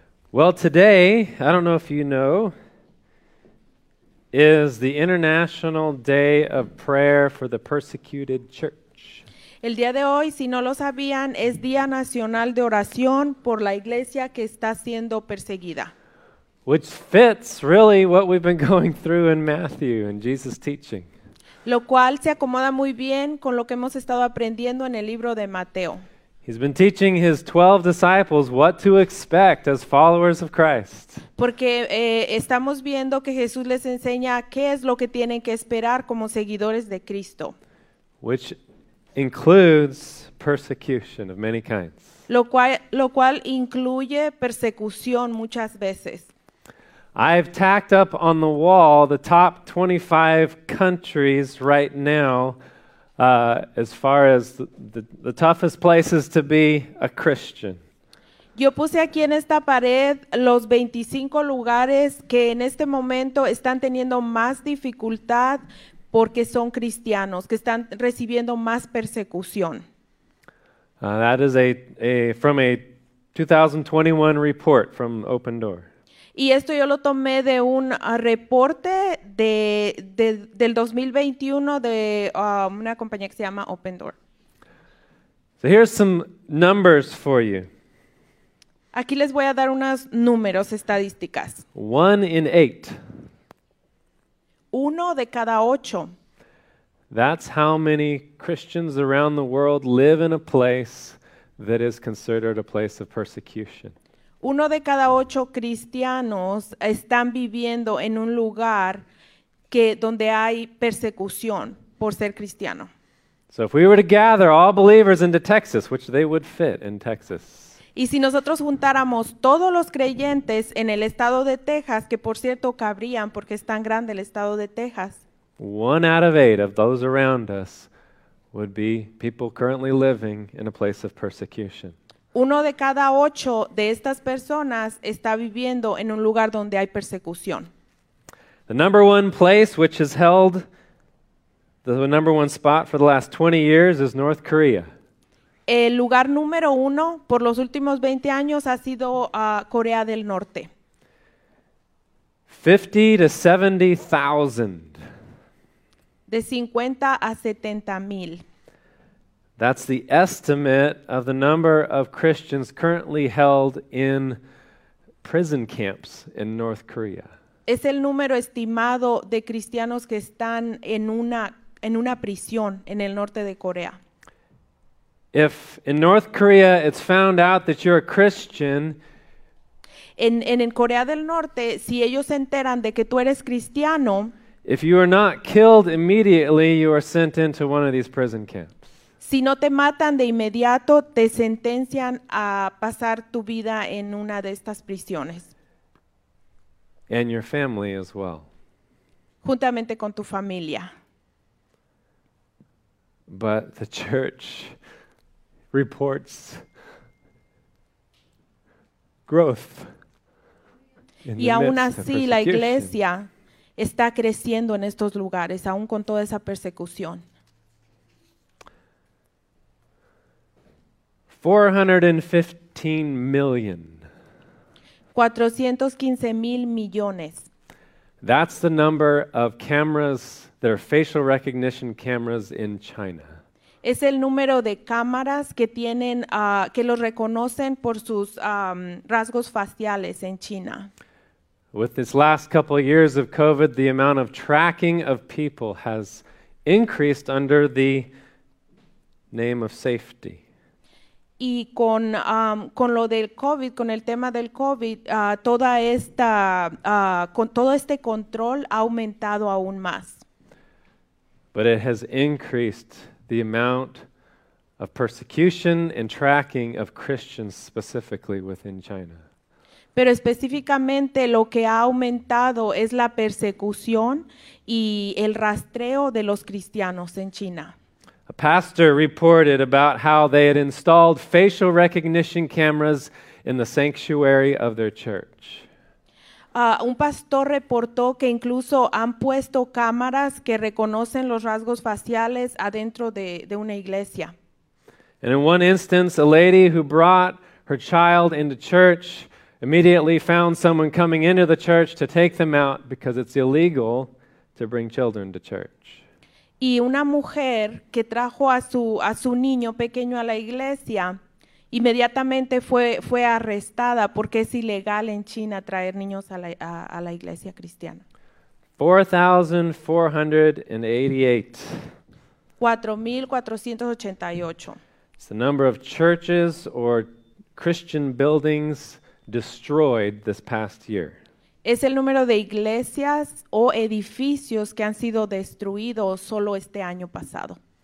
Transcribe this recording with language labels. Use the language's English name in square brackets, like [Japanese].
[English] Well, today, I don't know if you know, is the International Day of Prayer for the Persecuted Church. [Spanish] El día de hoy, si no lo sabían, es Día Nacional de Oración por la Iglesia que está siendo perseguida. [English] Which fits really what we've been going through in Matthew and Jesus' teaching. [Spanish] Lo cual se acomoda muy bien con lo que hemos estado aprendiendo en el libro de Mateo. [English] He's been teaching his 12 disciples what to expect as followers of Christ. [Spanish] Porque estamos viendo que Jesús les enseña qué es lo que tienen que esperar como seguidores de Cristo. [English] Which includes persecution of many kinds. [Spanish] Lo cual incluye persecución muchas veces. [English] I've tacked up on the wall the top 25 countries right now. As far as the toughest places to be a Christian. [Spanish] Yo puse aquí en esta pared los 25 lugares que en este momento están teniendo más dificultad porque son cristianos, que están recibiendo más persecución. [English] That is from a 2021 report from Open Door. [Spanish] Y esto yo lo tomé de un reporte del 2021 de una compañía que se llama Open Door. [English] So here's some numbers for you. [Spanish] Aquí les voy a dar unos números estadísticas. [English] 1 in 8. [Spanish] 1 de cada 8. [English] That's how many Christians around the world live in a place that is considered a place of persecution. [Spanish] 1 de cada 8 cristianos están viviendo en un lugar donde hay persecución por ser cristiano. [English] So if we were to gather all believers into Texas, which they would fit in Texas. [Spanish] Y si nosotros juntáramos todos los creyentes en el estado de Texas, que por cierto cabrían porque es tan grande el estado de Texas. [English] 1 out of 8 of those around us would be people currently living in a place of persecution. [Spanish] 1 de cada 8 de estas personas está viviendo en un lugar donde hay persecución. [English] The number one place which has held the number one spot for the last 20 years is North Korea. [Spanish] El lugar número uno por los últimos 20 años ha sido Corea del Norte. [English] 50 to 70,000. [Spanish] De 50 a 70 mil. [English] That's the estimate of the number of Christians currently held in prison camps in North Korea. [Spanish] Es el número estimado de cristianos que están en una prisión en el norte de Corea. [English] If in North Korea it's found out that you're a Christian, [Spanish] en Corea del Norte, si ellos se enteran de que tú eres cristiano, [English] if you are not killed immediately, you are sent into one of these prison camps. [Spanish] Si no te matan de inmediato, te sentencian a pasar tu vida en una de estas prisiones. [English] And your family as well. [Spanish] Juntamente con tu familia. [English] But the church reports growth in the midst. [Spanish] Y aún así la iglesia está creciendo en estos lugares, aún con toda esa persecución. [English] 415 million. [Spanish] 415 mil millones. [English] That's the number of cameras that are facial recognition cameras in China. [Spanish] Es el número de cámaras que tienen que los reconocen por sus rasgos faciales en China. [English] With this last couple of years of COVID, the amount of tracking of people has increased under the name of safety. [Spanish] Y con lo del COVID, con el tema del COVID, todo este control ha aumentado aún más. [English] But it has increased the amount of persecution and tracking of Christians specifically within China. [Spanish] Pero específicamente lo que ha aumentado es la persecución y el rastreo de los cristianos en China. [English] A pastor reported about how they had installed facial recognition cameras in the sanctuary of their church. [Spanish] Un pastor reportó que incluso han puesto cámaras que reconocen los rasgos faciales adentro de una iglesia. [English] And in one instance, a lady who brought her child into church immediately found someone coming into the church to take them out because it's illegal to bring children to church. [Spanish] Y una mujer que trajo a su niño pequeño a la iglesia inmediatamente fue arrestada porque es ilegal en China traer niños a la iglesia cristiana. [English] 4,488. [Spanish] 4,488. [English] It's the number of churches or Christian buildings destroyed this past year. [Spanish] Es el número de iglesias o edificios que han sido destruidos solo este año pasado.